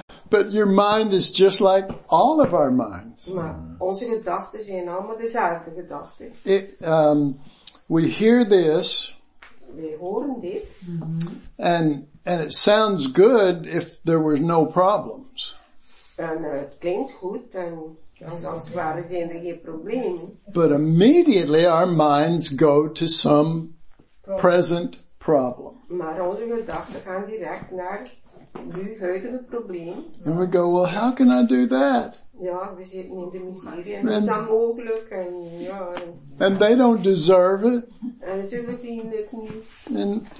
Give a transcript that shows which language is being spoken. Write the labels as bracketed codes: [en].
[en] But your mind is just like all of our minds. [nl] Maar onze gedachten zijn allemaal dezelfde gedachten. [en] We hear this. [nl] We horen dit. [en] And it sounds good if there were no problems. And it [nl] klinkt goed en als het ware zijn er geen problemen. [en] But immediately our minds go to some present problem. [nl] Maar onze gedachten gaan direct naar nu huidige probleem. [en] And we go, well, how can I do that? [nl] Ja, we zitten in de miserie en is dat mogelijk? En ja. [en] And they don't deserve it. [nl] En ze verdienen het niet.